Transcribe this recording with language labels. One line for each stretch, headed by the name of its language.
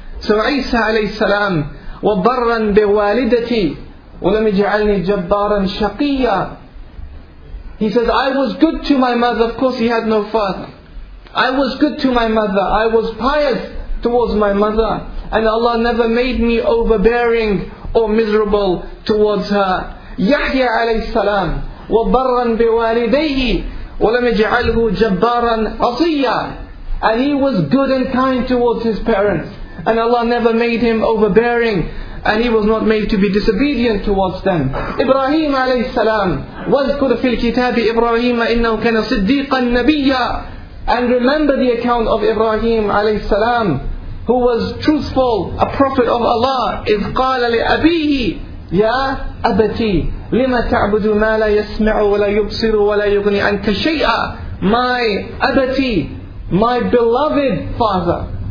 English: So Isa alayhi salam,
Arabic: وَبَرًّا بِوَالِدَتِي وَلَمْ يَجْعَلْنِي جَبَّارًا شَقِيًّا.
English: He says, I was good to my mother. Of course he had no father. I was good to my mother. I was pious towards my mother. And Allah never made me overbearing or miserable towards her.
Arabic: Yahya alayhi salam, وَبَرًّا بِوَالِدَيْهِ وَلَمْ يَجْعَلْهُ جَبَّارًا عَصِيًّا.
English: And he was good and kind towards his parents. And Allah never made him overbearing. And he was not made to be disobedient towards them.
Arabic: Ibrahim alayhi salam, وَذْكُرْ فِي الْكِتَابِ إِبْرَاهِيمَ إِنَّهُ كَانَ صِدِّيقًا نَبِيًّا.
English: And remember the account of Ibrahim alayhi salam, who was truthful, a prophet of Allah.
Arabic: إِذْ قَالَ لِأَبِيهِ يَا أَبَتِي لِمَ تَعْبُدُ مَا لَا يَسْمِعُ وَلَا يُبْصِرُ وَلَا يُغْنِي عَنْكَ شَيْئًا.
English: My
Arabic: أَبَتِي,
English: my beloved father.